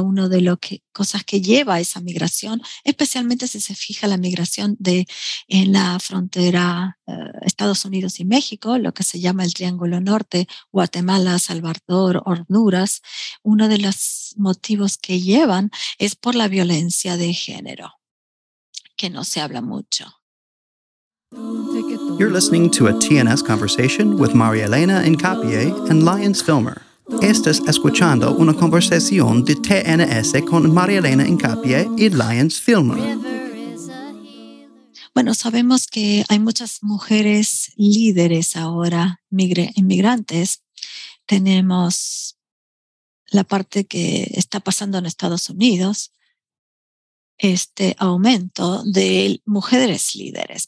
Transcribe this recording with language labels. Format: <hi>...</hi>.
<es>Una de las cosas que lleva a esa migración, especialmente si se fija la migración en la frontera Estados Unidos y México, lo que se llama el Triángulo Norte, Guatemala, Salvador, Honduras, uno de los motivos que llevan es por la violencia de género, que no se habla mucho.</es> <en>You're listening to a TNS conversation with María Elena Incapié and Lyons Filmer.</en> <es>Estás escuchando una conversación de TNS con María Elena Incapié y Lyons Filmer. Bueno, sabemos que hay muchas mujeres líderes ahora, inmigrantes. Tenemos la parte que está pasando en Estados Unidos, este aumento de mujeres líderes.</es>